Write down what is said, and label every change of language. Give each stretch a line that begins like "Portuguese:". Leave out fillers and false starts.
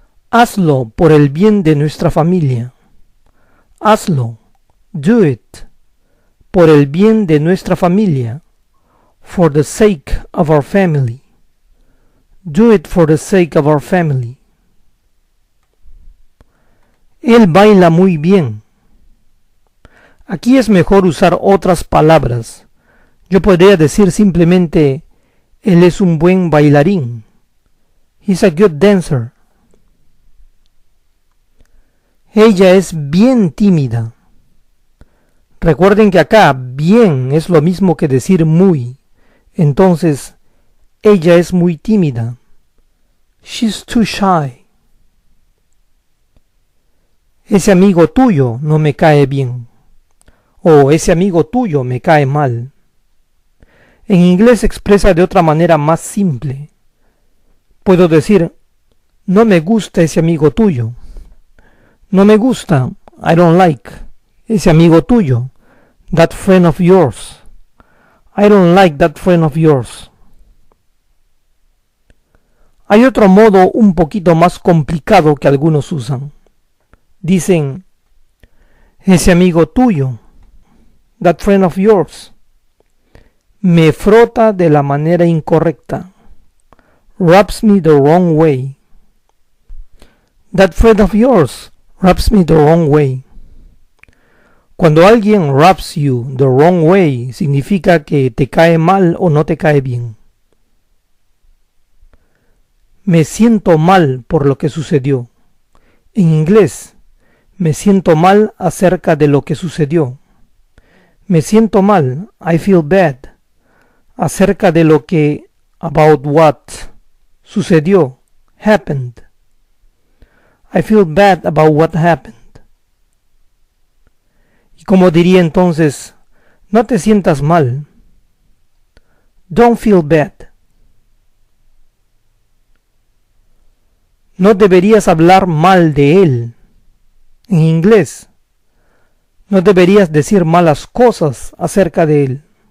Spanish: Hazlo por el bien de nuestra familia. Hazlo.
English: Do it.
Spanish: Por el bien de nuestra familia.
English: For the sake of our family. Do it for the sake of our family.
Spanish: Él baila muy bien. Aquí es mejor usar otras palabras. Yo podría decir simplemente, él es un buen bailarín.
English: He's a good dancer.
Spanish: Ella es bien tímida. Recuerden que acá bien es lo mismo que decir muy. Entonces, ella es muy tímida.
English: She's too shy.
Spanish: Ese amigo tuyo no me cae bien. O ese amigo tuyo me cae mal. En inglés expresa de otra manera más simple. Puedo decir, no me gusta ese amigo tuyo. No me gusta,
English: I don't like,
Spanish: ese amigo tuyo,
English: that friend of yours. I don't like that friend of yours.
Spanish: Hay otro modo un poquito más complicado que algunos usan. Dicen, ese amigo tuyo,
English: that friend of yours,
Spanish: me frota de la manera incorrecta,
English: rubs me the wrong way. That friend of yours rubs me the wrong way.
Spanish: Cuando alguien
English: rubs you the wrong way,
Spanish: significa que te cae mal o no te cae bien. Me siento mal por lo que sucedió. En inglés, me siento mal acerca de lo que sucedió. Me siento mal,
English: I feel bad,
Spanish: acerca de lo que,
English: about what,
Spanish: sucedió,
English: happened. I feel bad about what happened.
Spanish: Y como diría entonces, no te sientas mal.
English: Don't feel bad.
Spanish: No deberías hablar mal de él. En inglés, no deberías decir malas cosas acerca de él.